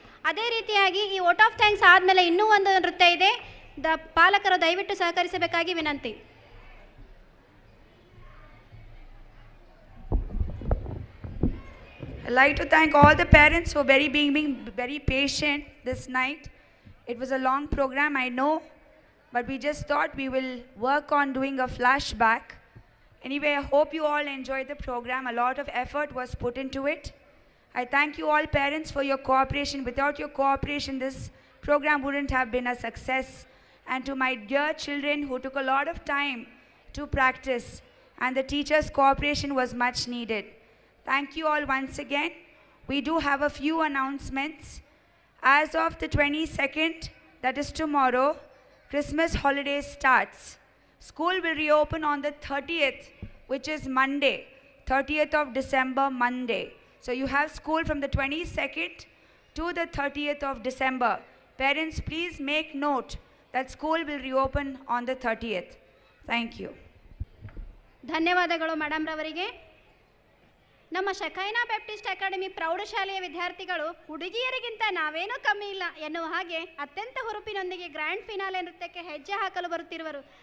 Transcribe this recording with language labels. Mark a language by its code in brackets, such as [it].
[kn] ಅದೇ ರೀತಿಯಾಗಿ ಈ ವೋಟ್ ಆಫ್ ಥ್ಯಾಂಕ್ಸ್ ಆದಮೇಲೆ ಇನ್ನೂ ಒಂದು ನೃತ್ಯ ಇದೆ. ಪಾಲಕರು ದಯವಿಟ್ಟು ಸಹಕರಿಸಬೇಕಾಗಿ ವಿನಂತಿ. [en] Like to thank all the parents who very being very patient this night. It was a long program I know. But we just thought we will work on doing a flashback. Anyway, I hope you all enjoyed the program. A lot of effort was put into it. I thank you all parents for your cooperation. Without your cooperation, this program wouldn't have been a success. And to my dear children who took a lot of time to practice, and the teachers' cooperation was much needed. Thank you all once again. We do have a few announcements. As of the 22nd, that is tomorrow, Christmas holiday starts. School will reopen on the 30th, which is Monday, 30th of December, Monday. So you have school from the 22nd to the 30th of December. Parents, please make note that school will reopen on the 30th. Thank you. [kn] ಧನ್ಯವಾದಗಳು madam ರವರಿಗೆ. ನಮ್ಮ ಶಕೈನಾ Baptist academy ಪ್ರೌಢಶಾಲೆಯ ವಿದ್ಯಾರ್ಥಿಗಳು ಹುಡುಗಿಯರಿಗಿಂತ ನಾವೇನೂ ಕಮ್ಮಿ ಇಲ್ಲ ಎನ್ನುವ ಹಾಗೆ ಅತ್ಯಂತ ಹುರುಪಿನೊಂದಿಗೆ ಗ್ರ್ಯಾಂಡ್ ಫಿನಾಲೆ ನೃತ್ಯಕ್ಕೆ ಹೆಜ್ಜೆ ಹಾಕಲು ಬರುತ್ತಿರುವರು.